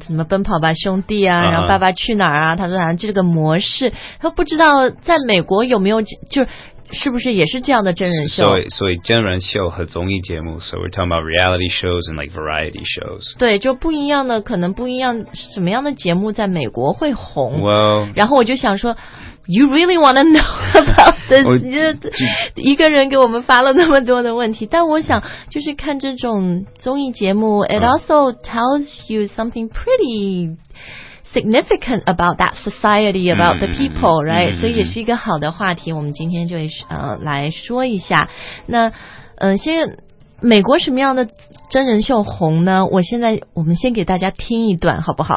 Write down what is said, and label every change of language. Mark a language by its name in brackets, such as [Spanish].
[Chinese] 什么奔跑吧兄弟啊，然后爸爸去哪儿啊，他说好像这个模式，他不知道在美国有没有是不是也是这样的真人秀？所以真人秀和综艺节目 ， [English] so we're talking about reality shows and like variety shows。 [Chinese] 对，就不一样的，可能不一样，什么样的节目在美国会红 [English] ？Well， [Chinese] 然后我就想说 [English] ，You really want to know about this？ [Chinese] 一个人给我们发了那么多的问题，但我想就是看这种综艺节目 ， [English] it also tells you something pretty。 significant about that society, about the people, right? [Chinese] 所以也是一个好的话题，我们今天就来说一下。那先美国什么样的真人秀红呢？我们先给大家听一段好不好？